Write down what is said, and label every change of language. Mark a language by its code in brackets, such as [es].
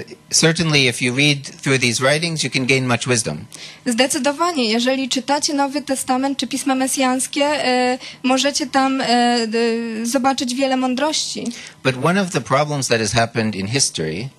[en] Certainly if you read through these writings you can gain much wisdom. [pl] Zdecydowanie jeżeli czytacie Nowy Testament czy pisma mesjańskie, możecie tam zobaczyć wiele mądrości. [en] But one of the problems that has happened in history.